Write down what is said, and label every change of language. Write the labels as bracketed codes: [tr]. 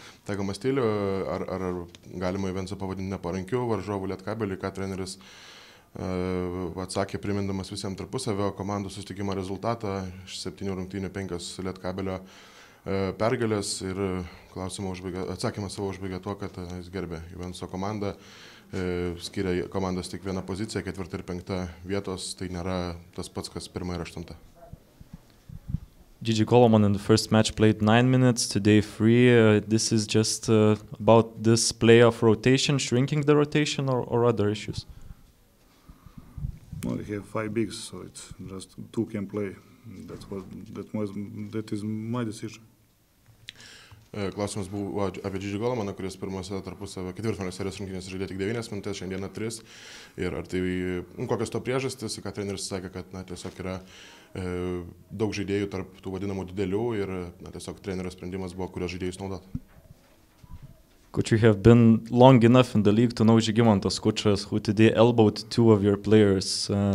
[lt] Taigoma stilių, ar galima Juventusą pavadinti neparankiu varžovų Lietkabelį, ką treneris atsakė primindamas visiems tarpusavio komandų susitikimo rezultatą, 7 rungtynių 5 Lietkabelio pergalės ir atsakymas savo užbaigė tuo, kad jis gerbė Juventusą komandą, skiria komandas tik vieną poziciją, 4 ir 5 vietos, tai nėra tas pats, kas 1 ir 8. [en] Gigi Coloman in the first match played 9 minutes, today 3. This is just about this playoff rotation, shrinking the rotation or other issues? Well, we have 5 bigs, so it's just 2 can play. That is my decision. [lt] Klausimas buvo apie Gigi Colomaną, kuris pirmose tarpusavio ketvirtfinalio serijos rungtynėse žaidė tik 9 minutės, šiandieną 3. Ir ar tai kokios to priežastys, ką treneris sakė, kad tiesiog yra daug žaidėjų tarp tų vadinamų didelių ir tiesiog trenerio sprendimas buvo, kurios žaidėjus naudoti. [en] Could you have been long enough in the league to know Žygimantas Skučas, who today elbowed 2 of your players?